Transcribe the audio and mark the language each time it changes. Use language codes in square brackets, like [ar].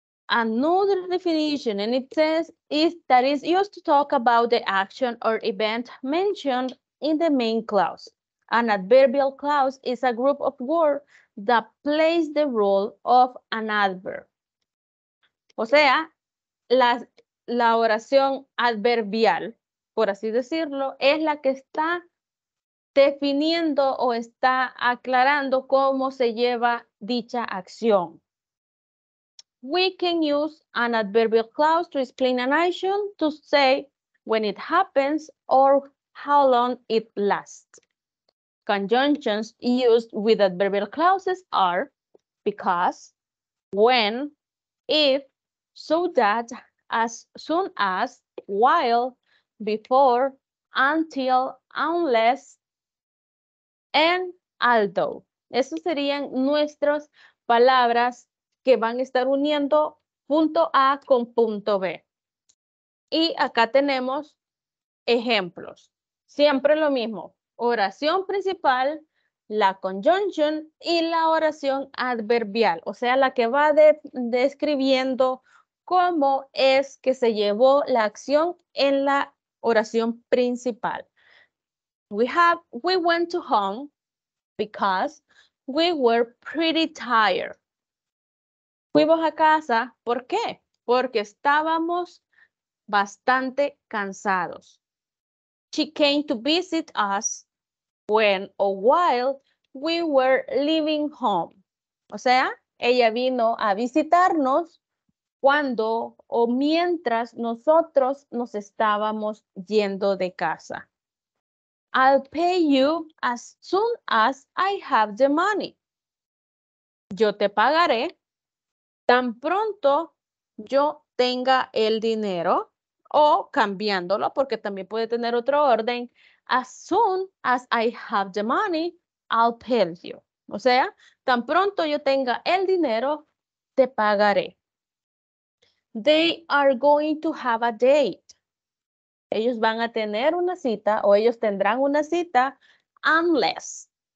[en] Another definition, and it says, is that is used to talk about the action or event mentioned in the main clause. An adverbial clause is a group of words that plays the role of an adverb. [es] O sea, la oración adverbial, por así decirlo, es la que está definiendo o está aclarando cómo se lleva dicha acción. [en] We can use an adverbial clause to explain an action to say when it happens or how long it lasts. Conjunctions used with adverbial clauses are because, when, if, so that, as soon as, while, before, until, unless, and although. [es] Esas serían nuestras palabras que van a estar uniendo punto A con punto B. Y acá tenemos ejemplos. Siempre lo mismo. Oración principal, la conjunction y la oración adverbial. O sea, la que va describiendo cómo es que se llevó la acción en la oración principal. [en] We went to home because we were pretty tired. [es] Fuimos a casa, ¿por qué? Porque estábamos bastante cansados. [en] She came to visit us when or while we were leaving home. [es] O sea, ella vino a visitarnos cuando o mientras nosotros nos estábamos yendo de casa. [en] I'll pay you as soon as I have the money. [es] Yo te pagaré tan pronto yo tenga el dinero, o cambiándolo porque también puede tener otro orden. [en] As soon as I have the money, I'll pay you. [es] O sea, tan pronto yo tenga el dinero, te pagaré. [en] They are going to have a date. [es] Ellos van a tener una cita o ellos tendrán una cita unless.